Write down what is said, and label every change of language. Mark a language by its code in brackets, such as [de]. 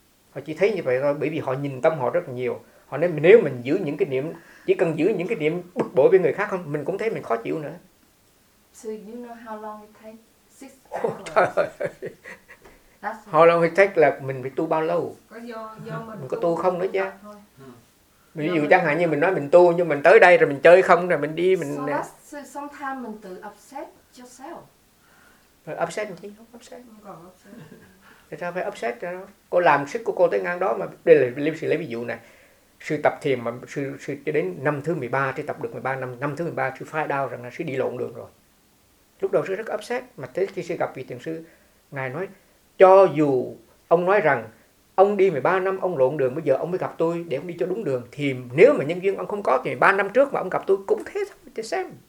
[vi] Họ chỉ thấy như vậy thôi, bởi vì họ nhìn tâm họ rất nhiều. Họ nói nếu mình giữ những cái niệm, chỉ cần giữ những cái niệm bực bội với người khác không, mình cũng thấy mình khó chịu nữa. [en] So you know how long it takes? How long it takes [vi] là mình phải tu bao lâu? Mình có tu không nữa chứ? Ví dụ chẳng hạn như mình nói mình tu nhưng mình tới đây rồi mình chơi không, rồi mình đi mình. [en] So that's so sometimes [vi] mình tự [en] upset yourself. [vi] Upset chứ, không upset. Sao phải upset cho nó? Cô làm sức của cô tới ngang đó mà. Đây là sư lấy ví dụ này. Sư tập thiền mà sư cho đến năm thứ 13, sư tập được 13 năm. Năm thứ 13 sư phai đau rằng là sư đi lộn đường rồi. Lúc đầu sư rất upset. Mà thế khi sư gặp vị thiền sư, ngài nói cho dù ông nói rằng ông đi 13 năm ông lộn đường, bây giờ ông mới gặp tôi để ông đi cho đúng đường, thì nếu mà nhân duyên ông không có thì 3 năm trước mà ông gặp tôi cũng thế thôi. Thế xem.